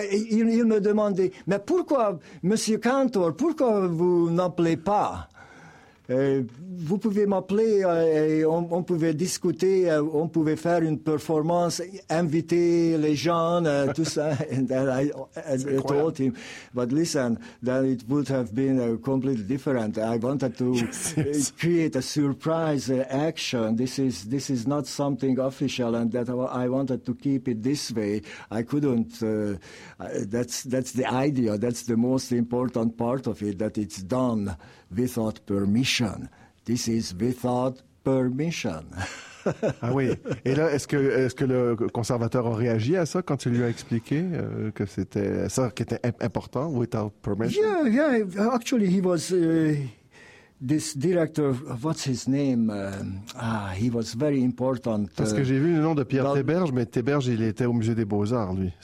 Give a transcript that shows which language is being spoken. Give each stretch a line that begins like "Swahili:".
French: Il me demandait, mais pourquoi, monsieur Cantor, pourquoi vous n'appelez pas? Vous pouvez m'appeler et on pouvait discuter, on pouvait faire une performance, inviter les gens, tout ça.
English: And then I told him, but listen, then it would have been completely different. I wanted to create a surprise action. This is not something official, and that I wanted to keep it this way. I couldn't. That's the idea. That's the most important part of it. That it's done. Without permission. This is without permission.
French: Ah oui. Et là, est-ce que le conservateur a réagi à ça quand tu lui as expliqué que c'était ça qui était important,
English: without permission? Yeah, yeah. Actually, he was this director, what's his name? He was very important.
French: Parce que j'ai vu le nom de Pierre Théberge, mais Théberge, il était au Musée des Beaux-Arts, lui.